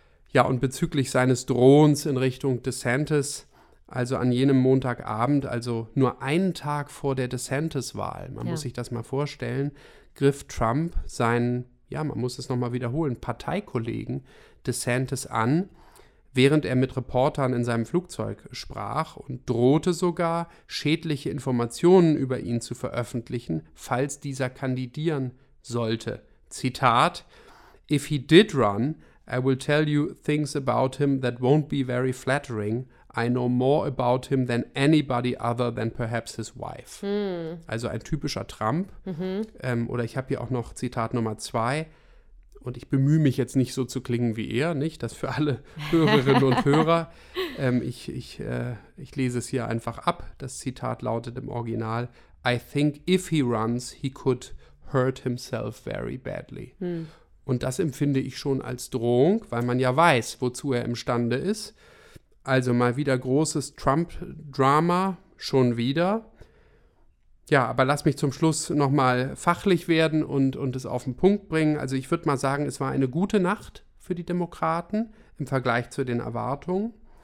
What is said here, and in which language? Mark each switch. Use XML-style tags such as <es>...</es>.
<de>Ja, und bezüglich seines Drohens in Richtung DeSantis, also an jenem Montagabend, also nur einen Tag vor der DeSantis-Wahl, man muss sich das mal vorstellen, griff Trump seinen, ja, man muss es nochmal wiederholen, Parteikollegen DeSantis an, während er mit Reportern in seinem Flugzeug sprach und drohte sogar, schädliche Informationen über ihn zu veröffentlichen, falls dieser kandidieren sollte. Zitat,</de> <en>if he did run, I will tell you things about him that won't be very flattering. I know more about him than anybody other than perhaps his wife.</en> <de>Hm. Also ein typischer Trump. Mhm. Oder ich habe hier auch noch Zitat Nummer 2. Und ich bemühe mich jetzt nicht so zu klingen wie er, nicht? Das für alle Hörerinnen und Hörer. Ich lese es hier einfach ab. Das Zitat lautet im Original,</de> <en>I think if he runs, he could hurt himself very badly.</en> <de>Hm. Und das empfinde ich schon als Drohung, weil man ja weiß, wozu er imstande ist. Also mal wieder großes Trump-Drama, schon wieder. Ja, aber lass mich zum Schluss noch mal fachlich werden und es auf den Punkt bringen. Also ich würde mal sagen, es war eine gute Nacht für die Demokraten im Vergleich zu den Erwartungen.</de>